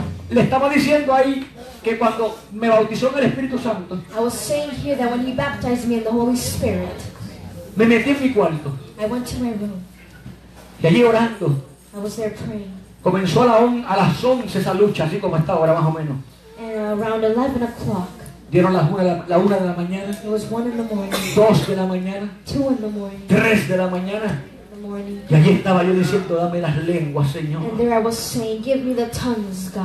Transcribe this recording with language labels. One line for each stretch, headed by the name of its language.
Spanish: Le estaba diciendo ahí que cuando me bautizó en el Espíritu Santo,
English: I was saying here that when he baptized me in the Holy Spirit,
Spanish: me metí en mi cuarto.
English: I went to my room.
Spanish: Y allí orando.
English: I was there praying.
Spanish: Comenzó a las 11 esa lucha, así como está ahora más o menos.
English: And around 11 o'clock.
Spanish: Dieron la una de la mañana.
English: It was 1 in the morning.
Spanish: 2 de la mañana.
English: 2 in the morning.
Spanish: 3 de la mañana.
English: Morning.
Spanish: Y allí estaba yo diciendo, dame las lenguas, Señor.
English: And there I was saying, give me the tongues, God.